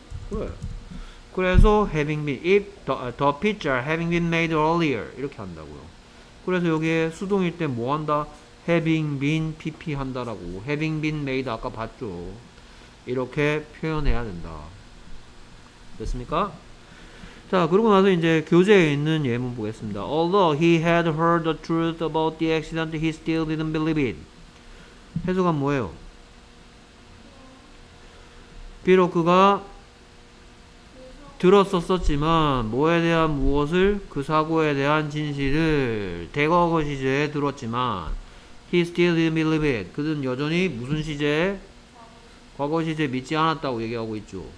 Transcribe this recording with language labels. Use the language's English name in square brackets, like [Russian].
[Korean] 그래. 그래서 [English] having been if the pizza having been made earlier [Korean] 이렇게 한다고요. 그래서 여기에 수동일 때 뭐 한다? [English] having been pp [Korean] 한다라고. [English] having been made [Korean] 아까 봤죠. 이렇게 표현해야 된다. 됐습니까? 자, 그러고 나서 이제 교재에 있는 예문 보겠습니다. [English] Although he had heard the truth about the accident, he still didn't believe it. [Korean] 해석은 뭐예요? 비록 그가 들었었었지만 뭐에 대한 무엇을? 그 사고에 대한 진실을 대과거 시제에 들었지만 [English] he still didn't believe it. [Korean] 그는 여전히 무슨 시제에? 과거 시제에 믿지 않았다고 얘기하고 있죠.